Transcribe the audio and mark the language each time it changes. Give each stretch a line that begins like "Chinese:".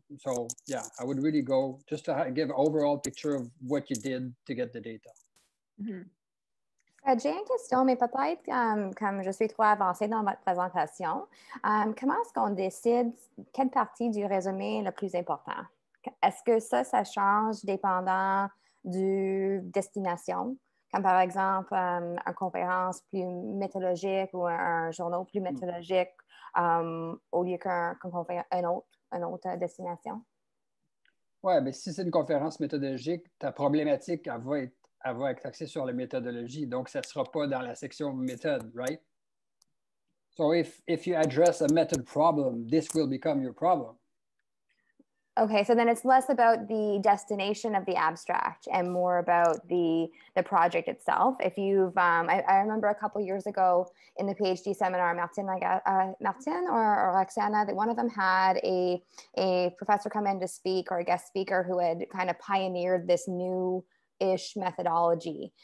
English: So yeah, I would really go just to give an overall picture of what you did to get the data.
French: J'ai une question, mais peut-être, comme je suis trop avancée dans votre présentation, comment est-ce qu'on décide quelle partie du résumé est la plus importante? Est-ce que ça change dépendant du destination? Comme par exemple, une conférence plus méthodologique ou un journal plus méthodologique au lieu qu'une autre destination? Oui, mais si c'est une conférence méthodologique, ta problématique, elle va être axée sur la méthodologie. Donc, ça ne sera pas dans la section méthode, right?
English: So if you address a method problem, this will become your problem. Okay, so then it's less about the destination of the abstract and more about the project itself. If you've, I remember a couple years ago in the PhD seminar, Martin or Roxana, that one of them had a professor come in to speak or a guest speaker who had kind of pioneered this new-ish methodology.